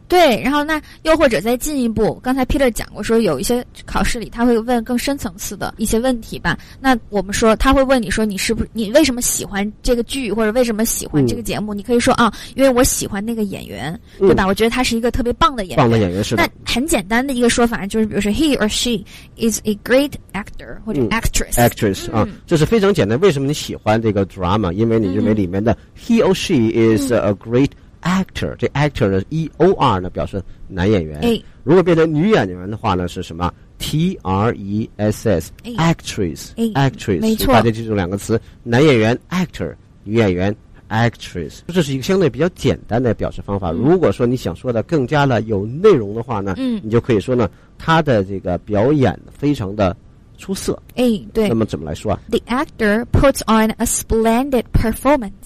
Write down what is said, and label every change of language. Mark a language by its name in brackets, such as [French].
[Chinese] 对，然后那又或者再进一步，刚才 Peter 讲过说有一些考试里他会问更深层次的一些问题吧，那我们说他会问你说你是不是你为什么喜欢这个剧或者为什么喜欢这个节目，你可以说啊，因为我喜欢那个演员，对吧？我觉得他是一个特别棒的演员。棒的演员。是的。那很简单的一个说法就是比如说 [English] He or she is a great actor [Chinese] 或者 actress、这是非常简单。为什么你喜欢这个 drama？因为你认为里面的 [English] he or she is a great actor。 [Chinese] 这 actor 的 e o r 呢，表示男演员。如果变成女演员的话呢，是什么 t r e s s actress actress？没错，大家记住两个词：男演员 actor， 女演员 actress。这是一个相对比较简单的表示方法。如果说你想说的更加的有内容的话呢，你就可以说呢，他的这个表演非常的出色。哎，对。那么怎么来说啊 [English] ？The actor puts on a splendid performance。